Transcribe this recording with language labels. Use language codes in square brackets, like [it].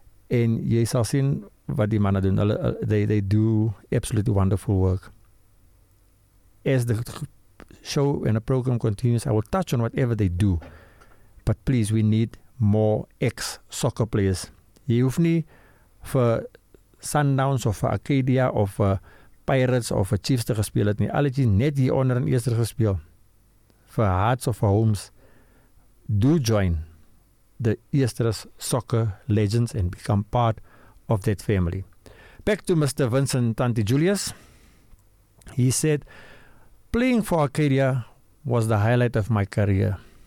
[af] En jy sal sien wat die manne doen. [en] They do absolutely wonderful work. As the show and the program continues, I will touch on whatever they do. But please, we need more ex-soccer players. [af] Jy hoef nie vir Sundowns of vir Acadia of vir Pirates of vir Chiefs te gespeel het nie. Al het jy net hier onder in Esterhus gespeel. Vir Hearts of vir Homes, [en] do join the Esterhus soccer legends and become part of that family. Back to Mr. Vincent Tanti Julius. He said, "Playing for Acadia was the highlight of my career.